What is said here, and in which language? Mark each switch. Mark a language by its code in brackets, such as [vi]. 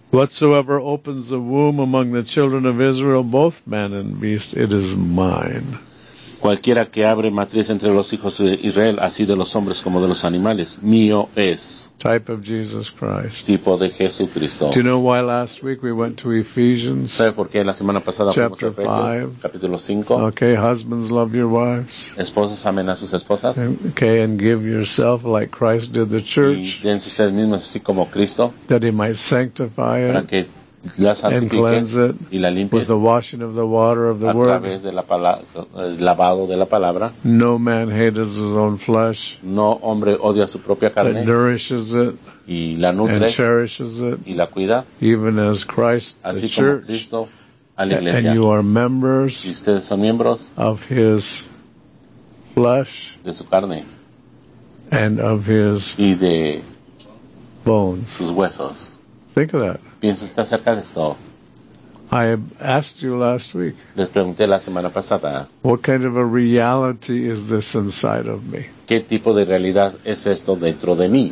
[en] Whatsoever opens the womb among the children of Israel, both man and beast, it is mine. [es] Cualquiera que abre matriz entre los hijos de Israel, así de los hombres como de los animales, mío es. [en] Type of Jesus Christ. [es] Tipo de Jesucristo. [en] Do you know why last week we went to Ephesians? [es] ¿Sabe por qué la semana pasada [en] chapter [es] fuimos a Efesios, [en] five. [es] Capítulo 5? [en] Okay, husbands love your wives. [es] Esposas amen a sus esposas. [en] Okay, and give yourself like Christ did the church. [es] Y dense ustedes mismos así como Cristo. [en] That he might sanctify [es] para [en] it. [es] Que [en] and cleanse it [es] y la [en] with the washing of the water of the [es] a [en] word. [es] De la palabra, lavado de la palabra. [en] No man hates his own flesh. [es] No hombre odia su propia carne. [en] But nourishes it [es] y la nutre [en] and cherishes it [es] y la cuida. [en] Even as Christ, [es] así [en] the [es] church. Cristo, a la iglesia. [en] And you are members [es] y ustedes son miembros [en] of his flesh [es] de su carne. [en] And of his [es] y de [en] bones. [es] Sus huesos. [en] Think of that. [es] Pienso está cerca de esto. [en] I asked you last week. [es] Les pregunté la semana pasada. [en] What kind of a reality is this inside of me? [es] ¿Qué tipo de realidad es esto dentro de mí?